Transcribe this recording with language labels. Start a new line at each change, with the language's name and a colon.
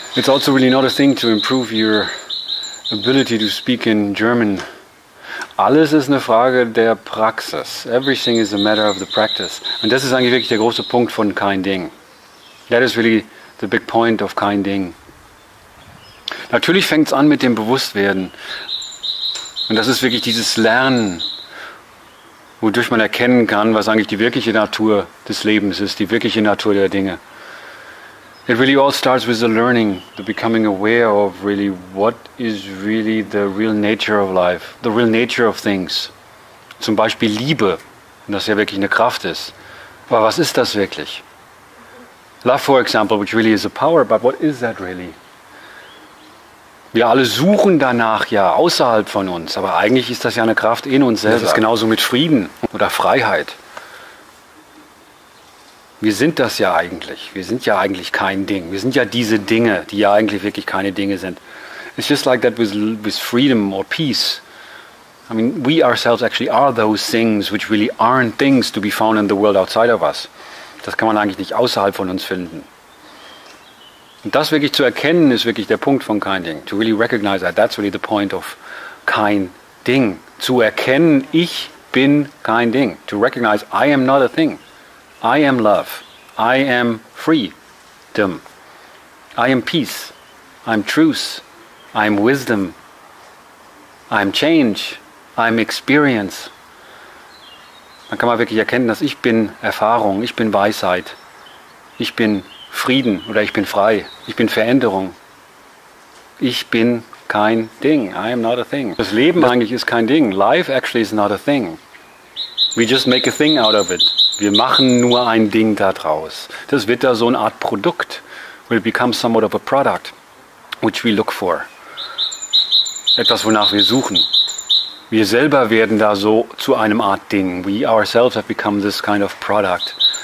English: It's also really not a thing to improve your ability to speak in German.
German: Alles ist eine Frage der Praxis.
English: Everything is a matter of the practice.
German: Und das ist eigentlich wirklich der große Punkt von kein Ding.
English: That is really the big point of kein Ding.
German: Natürlich fängt es an mit dem Bewusstwerden. Und das ist wirklich dieses Lernen, wodurch man erkennen kann, was eigentlich die wirkliche Natur des Lebens ist, die wirkliche Natur der Dinge.
English: It really all starts with the learning, the becoming aware of really what is really the real nature of life, the real nature of things.
German: Zum Beispiel Liebe, und das ja wirklich eine Kraft ist. Aber was ist das wirklich?
English: Love, for example, which really is a power, but what is that really?
German: Wir alle suchen danach ja außerhalb von uns, aber eigentlich ist das ja eine Kraft in uns selbst. Das ist genauso mit Frieden oder Freiheit. Wir sind das ja eigentlich. Wir sind ja eigentlich kein Ding. Wir sind ja diese Dinge, die ja eigentlich wirklich keine Dinge sind.
English: It's just like that with freedom or peace. I mean, we ourselves actually are those things which really aren't things to be found in the world outside of us.
German: Das kann man eigentlich nicht außerhalb von uns finden. Und das wirklich zu erkennen, ist wirklich der Punkt von kein Ding.
English: To really recognize that, that's really the point of kein Ding.
German: Zu erkennen, ich bin kein Ding.
English: To recognize, I am not a thing. I am love. I am freedom. I am peace. I am truth. I am wisdom. I am change. I am experience.
German: Dann kann man wirklich erkennen, dass ich bin Erfahrung, ich bin Weisheit, ich bin Frieden oder ich bin frei, ich bin Veränderung. Ich bin kein Ding.
English: I am not a thing.
German: Das Leben eigentlich ist kein Ding.
English: Life actually is not a thing. We just make a thing out of it.
German: Wir machen nur ein Ding da draus. Das wird da so eine Art Produkt.
English: Will become somewhat of a product, which we look for.
German: Etwas, wonach wir suchen. Wir selber werden da so zu einem Art Ding.
English: We ourselves have become this kind of product.